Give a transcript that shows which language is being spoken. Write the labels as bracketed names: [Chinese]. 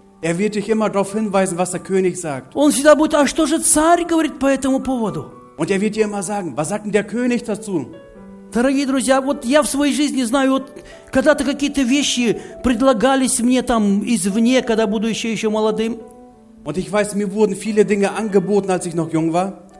[German] Er wird dich immer darauf hinweisen, was der König sagt. [Russian] Он всегда будет, а что же царь говорит по этому поводу? [German] Und er wird dir immer sagen, was sagt denn der König dazu? [Russian] Дорогие друзья, вот я в своей жизни знаю, вот когда-то какие-то вещи предлагались мне там извне, когда буду еще молодым. [German] Und ich weiß, mir wurden viele Dinge angeboten, als ich noch jung war.